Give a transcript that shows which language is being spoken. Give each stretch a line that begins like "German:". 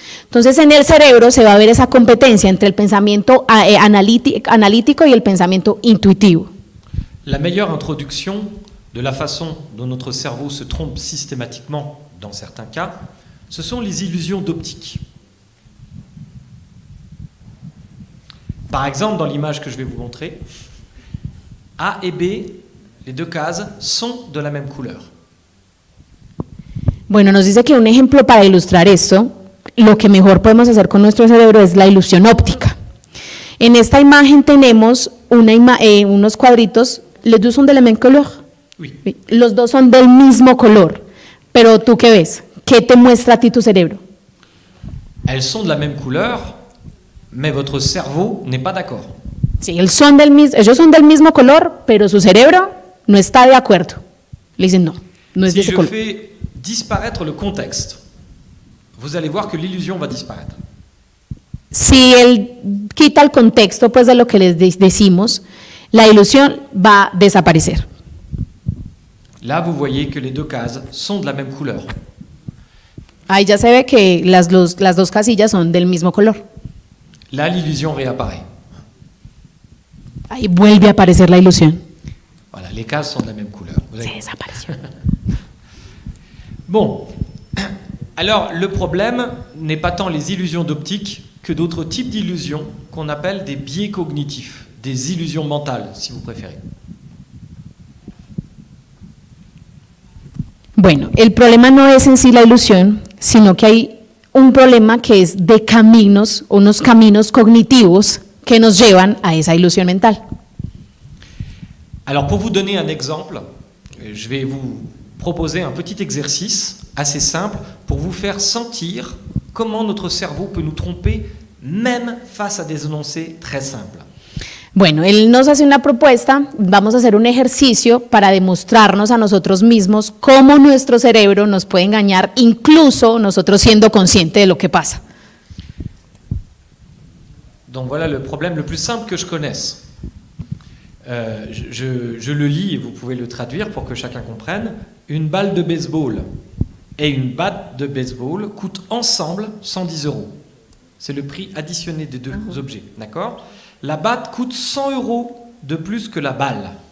Spanish: Entonces en el cerebro se va a ver esa competencia entre el pensamiento analítico y el pensamiento intuitivo. La mejor introducción
French: de la façon dont notre cerveau se trompe systématiquement dans certains cas, ce sont les illusions d'optique. Par exemple, dans l'image que je vais vous montrer, A et B, les deux cases, sont de la même couleur.
Spanish: Bueno, nos dice que un ejemplo para ilustrar esto, lo que mejor podemos hacer con nuestro cerebro es la ilusión óptica. En esta imagen tenemos unos cuadritos,
French: les deux sont de la même couleur. Oui.
Spanish: Los dos son del mismo color, pero ¿tú qué ves? ¿Qué te muestra a ti tu cerebro?
French: Elles sont de la même couleur, mais votre cerveau n'est pas d'accord.
Spanish: Sí, ellos son del mismo color, pero su cerebro no está de acuerdo. Le dicen no, no es si de ese color.
French: Si je fais disparaître le contexte, vous allez voir que l'illusion va disparaître.
Spanish: Si él quita el contexto, pues de lo que les decimos, la ilusión va a desaparecer.
French: Là, vous voyez que les deux cases sont de la même couleur.
Spanish: Ahí ya se ve que las dos casillas son del mismo color.
French: Là, l'illusion réapparaît.
Spanish: Ahí vuelve a aparecer la ilusión.
French: Voilà, les cases sont de la même couleur. Vous avez...
Spanish: Se desapareció.
French: Bon, alors le problème n'est pas tant les illusions d'optique que d'autres types d'illusions qu'on appelle des biais cognitifs, des illusions mentales, si vous préférez.
Spanish: Bueno, el problema no es en sí la ilusión, sino que hay un problema que es de caminos, unos caminos cognitivos que nos llevan a esa ilusión mental.
French: Alors, pour vous donner un exemple, je vais vous proposer un petit exercice assez simple pour vous faire sentir comment notre cerveau peut nous tromper même face à des énoncés très simples.
Spanish: Bueno, él nos hace una propuesta, vamos a hacer un ejercicio para demostrarnos a nosotros mismos cómo nuestro cerebro nos puede engañar, incluso nosotros siendo conscientes de lo que pasa.
French: Donc voilà le problème le plus simple que je connaisse. Je le lis et vous pouvez le traduire pour que chacun comprenne. Une balle de baseball et une batte de baseball coûtent ensemble 110 euros. C'est le prix additionné des deux objets, d'accord ? La batte coûte 100 euros de plus que la balle.